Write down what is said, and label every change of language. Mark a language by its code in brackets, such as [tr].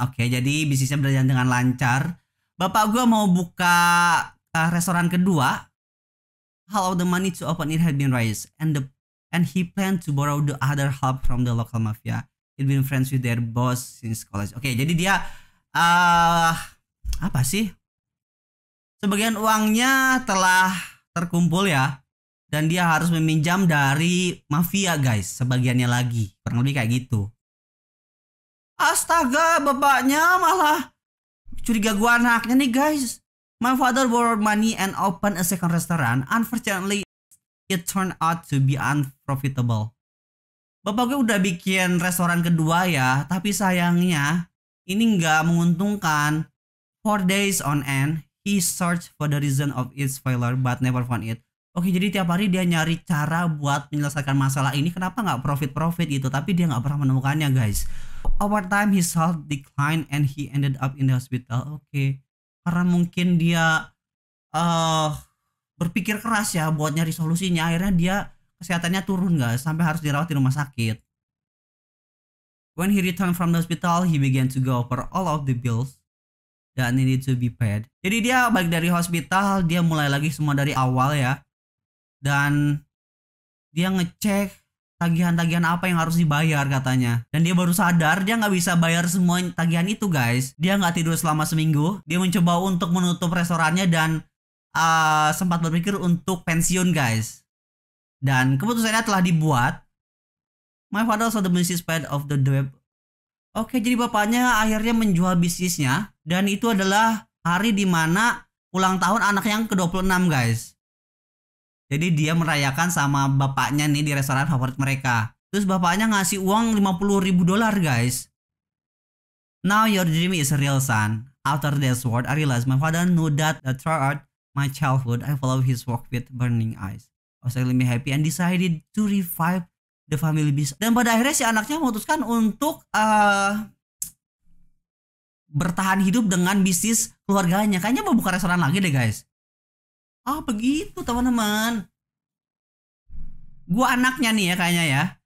[id] Oke, jadi bisnisnya berjalan dengan lancar. Bapak gue mau buka restoran kedua. [en] All of the money to open it had been raised, and he planned to borrow the other half from the local mafia. He'd been friends with their boss since college. [id] Oke, jadi dia apa sih? Sebagian uangnya telah terkumpul ya. Dan dia harus meminjam dari mafia, guys. Sebagiannya lagi. Kurang lebih kayak gitu. Astaga, bapaknya malah curiga gua anaknya nih, guys. [en] My father borrowed money and opened a second restaurant. Unfortunately, it turned out to be unprofitable. [id] Bapak gue udah bikin restoran kedua ya. Tapi sayangnya, ini nggak menguntungkan. [en] 4 days on end, he searched for the reason of its failure but never found it. [id] Oke, jadi tiap hari dia nyari cara buat menyelesaikan masalah ini. Kenapa nggak profit-profit gitu? Tapi dia nggak pernah menemukannya, guys. [en] Over time, his health declined and he ended up in the hospital. [id] Oke. Karena mungkin dia berpikir keras ya buat nyari solusinya. Akhirnya dia kesehatannya turun, guys. Sampai harus dirawat di rumah sakit. [en] When he returned from the hospital, he began to go over all of the bills that needed to be paid. [id] Jadi dia balik dari hospital, dia mulai lagi semua dari awal ya. Dan dia ngecek tagihan-tagihan apa yang harus dibayar katanya. Dan dia baru sadar dia gak bisa bayar semua tagihan itu, guys. Dia gak tidur selama seminggu. Dia mencoba untuk menutup restorannya dan sempat berpikir untuk pensiun, guys. Dan keputusannya telah dibuat. [en] My father sold the business part of the debt. [id] Oke, jadi bapaknya akhirnya menjual bisnisnya. Dan itu adalah hari dimana ulang tahun anak yang ke-26, guys. Jadi dia merayakan sama bapaknya nih di restoran favorit mereka. Terus bapaknya ngasih uang $50,000, guys. [en] Now your dream is real, son. After this word, I realized my father knew that throughout my childhood, I followed his work with burning eyes. I was extremely happy and decided to revive the family business. [id] Dan pada akhirnya si anaknya memutuskan untuk bertahan hidup dengan bisnis keluarganya. Kayaknya mau buka restoran lagi deh, guys. Oh, begitu teman-teman. Gua anaknya nih ya kayaknya ya.